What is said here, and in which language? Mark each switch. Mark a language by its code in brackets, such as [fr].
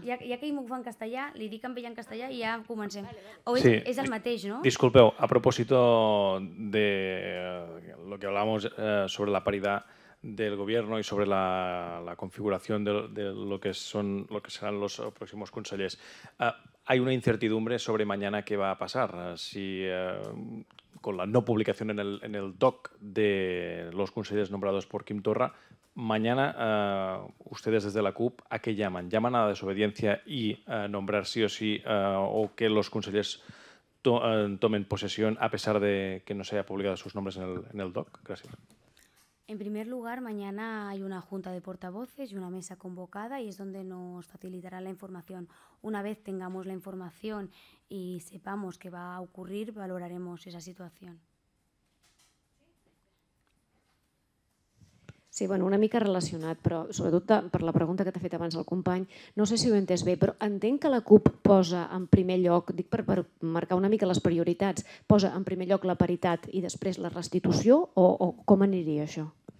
[ca] Ja que ell m'ho fa en castellà, li dic en veia en castellà i ja comencem. [es] Vale, vale. O sí. [ca] És el mateix, no? [es] Disculpeu, a propòsit de lo que hablábamos sobre la paridad del gobierno y sobre la configuración de lo que son, lo que serán los próximos consellers. Hay una incertidumbre sobre mañana qué va a pasar. Si... con la no publicación en el DOC de los consejeros nombrados por Quim Torra, mañana ustedes desde la CUP, ¿a qué llaman? ¿Llaman a la desobediencia y nombrar sí o sí o que los consejeros tomen posesión a pesar de que no se haya publicado sus nombres en el DOC? Gracias. En primer lugar, mañana hay una junta de portavoces y una mesa convocada y es donde nos facilitará la información. Una vez tengamos la información y sepamos qué va a ocurrir, valoraremos esa situación. [ca] Sí, bueno, una mica relacionat, però sobretot per la pregunta que t'ha fet abans el company, no sé si ho he entès bé, però entenc que la CUP posa en primer lloc, dic per marcar una mica les prioritats, posa en primer lloc la paritat i després la restitució, o com aniria això?